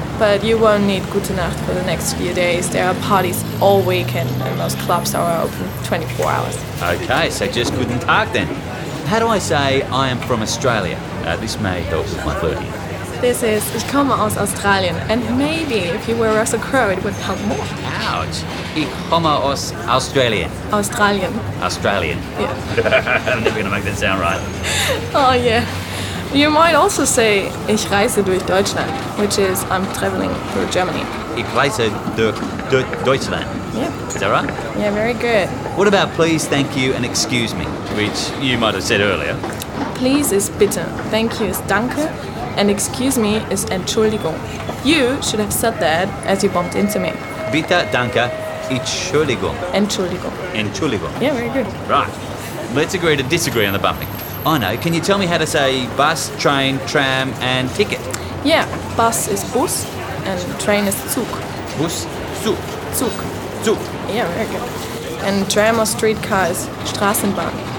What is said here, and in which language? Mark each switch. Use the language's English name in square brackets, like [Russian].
[English] But you won't need [German] gute Nacht [English] for the next few days. There are parties all weekend and most clubs are open 24 hours. Okay, so just [German] guten Tag [English] then. How do I say I am from Australia? This may help with my flirting. This is, [German] ich komme aus Australien. [English] And maybe if you were Russell Crowe, it would help more. Ouch. [German] Ich komme aus Australien. Australien. Australien. [English] Yeah. I'm never going to make that sound right. Oh, yeah. You might also say, [German] ich reise durch Deutschland, [English] which is, I'm traveling through Germany. [German] Ich reise durch Deutschland. [English] Yeah. Is that right? Yeah, very good. What about please, thank you and excuse me, which you might have said earlier? Please is bitte, thank you is danke, and excuse me is Entschuldigung. You should have said that as you bumped into me. [German] Bitte, danke, Entschuldigung. Entschuldigung. Entschuldigung. [English] Yeah, very good. Right. Let's agree to disagree on the bumping. I know. Can you tell me how to say bus, train, tram and ticket? Yeah. Bus is bus and train is Zug. [German] Bus, Zug. Zug. Zug. [English] Yeah, very good. And tram or streetcar is Straßenbahn.